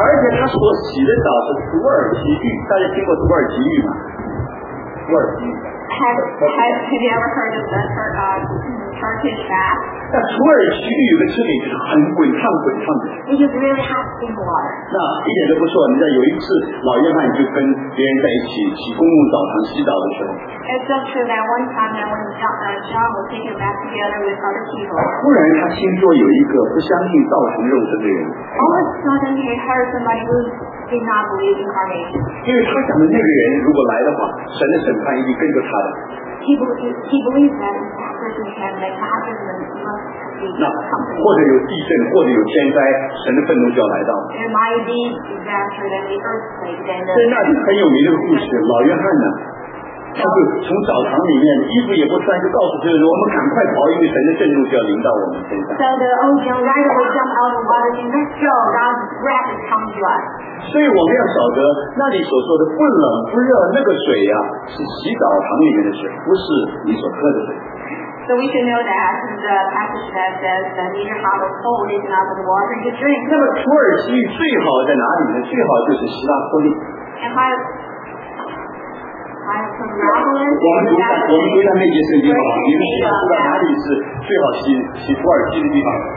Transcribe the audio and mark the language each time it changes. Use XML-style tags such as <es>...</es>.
<zh>而且他所洗的澡是土耳其浴，大家听过土耳其浴吗？土耳其。</zh> <en>Have you ever heard of the Turkish bath?</en> <zh>那土耳其浴的这里是很滚烫滚烫的。</zh> <en>It is really hot steam water.</en> <zh>那一点都不错。你知道有一次老约翰就跟别人在一起洗公共澡堂洗澡的时候。</zh> <en>It's so true that one time when John was taking a bath together with other people.</en> <zh>忽然他听说有一个不相信道成肉身的人。</zh> <en>All of a sudden he heard somebody who did not believe incarnation.</en> <zh>因为他想的那个人如果来的话，神的审判一定跟着他的。</zh> <en>He believes that in fact person can make a judgment.</en> <zh>那或者有地震，或者有天灾，神的愤怒就要来到。</zh> <en>It might be disaster than the earthquake.</en> <zh>所以那里很有名的故事，老约翰呢，他就从澡堂里面衣服也不穿，就告诉这些人，我们赶快跑，因为神的愤怒就要临到我们身上。</zh> <en>So the old young rider will jump out of the water and let's go. God's wrath is coming to us.</en> <zh>所以我们要晓得，那里所说的不冷不热那个水呀、啊，是洗澡堂里面的水，不是你所喝的水。</zh> <en>So we should know that the passage that says that neither hot or cold is not the water you drink.</en> <zh>那么土耳其最好在哪里呢？最好就是希腊托利。我们读一下那节圣经好吗？你们希腊知道哪里是最好洗土耳其的地方？</zh>